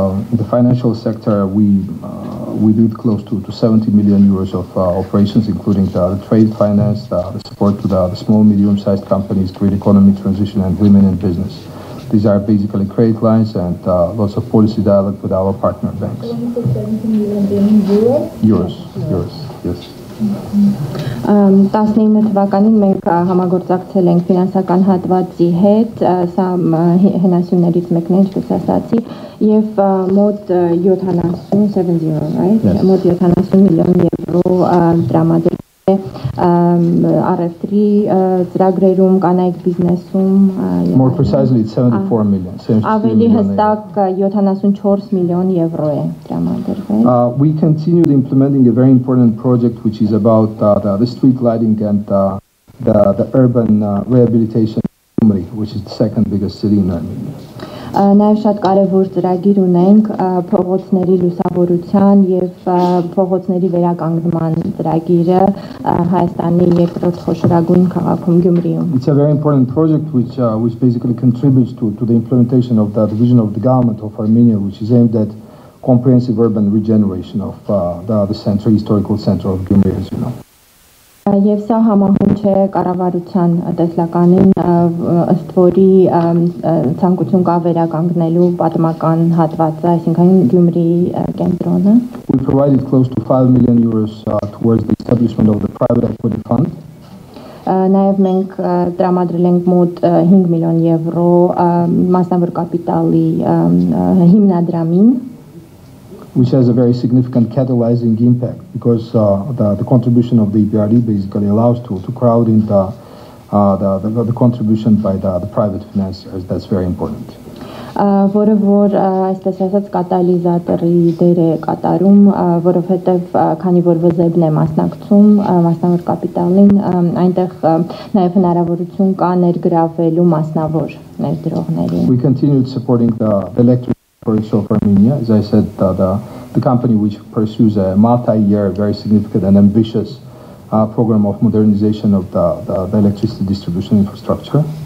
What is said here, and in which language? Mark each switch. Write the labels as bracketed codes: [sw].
[en] In the financial sector, we did close to 70 million euros of operations, including the trade finance, the support to the small, medium-sized companies, green economy transition, and women in business. These are basically credit lines and lots of policy dialogue with our partner banks. Yours, yes. [hy] 19 թվականին մենք համագործակցել ենք ֆինանսական հատվածի հետ, սա հնասյուններից մեկն է, ինչպես ասացի, եւ մոտ 70, [en] right? [hy] Մոտ 70 միլիոն եվրո դրամադրել ենք. առևտրի ծրագրերում, կանայք բիզնեսում, [en] more precisely it's 74 million. [hy] Ավելի հստակ 74 միլիոն եվրո է դրամադրվել. [en] We continued implementing a very important project which is about the street lighting and the urban rehabilitation committee, which is the second biggest city in Armenia. [hy] Նաև շատ կարևոր ծրագիր ունենք փողոցների լուսավորության եւ փողոցների վերականգնման ծրագիրը Հայաստանի երկրորդ խոշորագույն քաղաքում Գյումրիում. [en] It's a very important project which basically contributes to the implementation of that vision of the government of Armenia, which is aimed at comprehensive urban regeneration of the central historical center of Gyumri, as you know. [hy] Եվ սա համահունչ է կառավարության տեսլականին, ըստ որի ցանկություն կա վերականգնելու պատմական հատվածը, այսինքն Գյումրիի կենտրոնը. [en] We provided close to 5 million euros towards the establishment of the private equity fund. [hy] Նաև մենք տրամադրել ենք մոտ 5 միլիոն եվրո մասնավոր կապիտալի հիմնադրամին. [en] Which has a very significant catalyzing impact because the contribution of the EBRD basically allows to crowd in the contribution by the private financiers. That's very important. [hy] Որը այսպես ասած կատալիզատորի դեր է կատարում, որովհետև քանի որ ՎԶԵԲ-ն է մասնակցում մասնավոր կապիտալին, այնտեղ նաև հնարավորություն կա ներգրավելու մասնավոր ներդրողներին. [en] We continue supporting the electric Project of Armenia, as I said, the company which pursues a multi-year, very significant and ambitious program of modernization of the electricity distribution infrastructure.